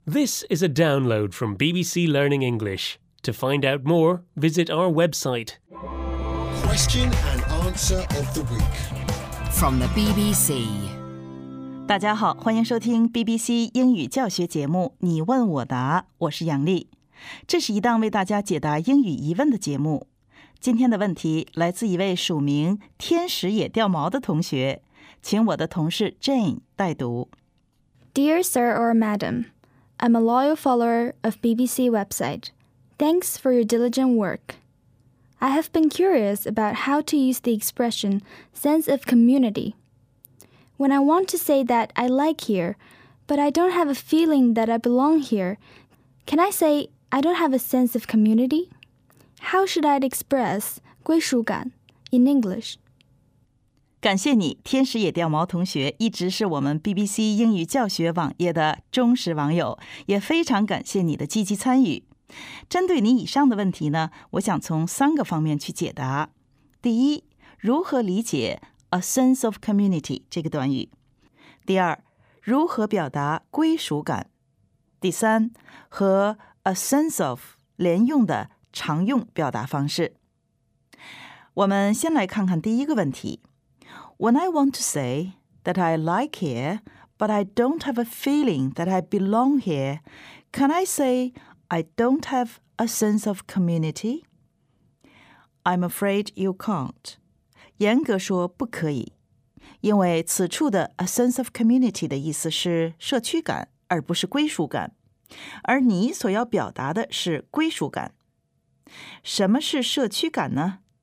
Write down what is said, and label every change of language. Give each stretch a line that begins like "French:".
English: This is a download from BBC Learning English. To find out more, visit our website. Question and answer of the week from the BBC.
Chinese: 大家好，欢迎收听 BBC 英语教学节目《你问我答》，我是杨丽。这是一档为大家解答英语疑问的节目。今天的问题来自一位署名“天使也掉毛”的同学，请我的同事 Jane 代读。
English: Dear Sir or Madam, I'm a loyal follower of BBC website. Thanks for your diligent work. I have been curious about how to use the expression sense of community. When I want to say that I like here, but I don't have a feeling that I belong here, can I say I don't have a sense of community? How should I express 归属感 in English?
Chinese: 感谢你，天使也掉毛同学一直是我们 BBC 英语教学网页的忠实网友，也非常感谢你的积极参与。针对你以上的问题呢，我想从三个方面去解答。第一，如何理解
English: a sense of community
Chinese: 这个短语？第二，如何表达归属感？第三，和
English: a sense of
Chinese: 连用的常用表达方式。我们先来看看第一个问题。
English: When I want to say that I like here, but I don't have a feeling that I belong here, can I say I don't have a sense of community? I'm afraid you can't.
Chinese: 严格说不可以，因为此处的
English: a sense of community
Chinese: 的意思是社区感，而不是归属感，而你所要表达的是归属感。什么是社区感呢？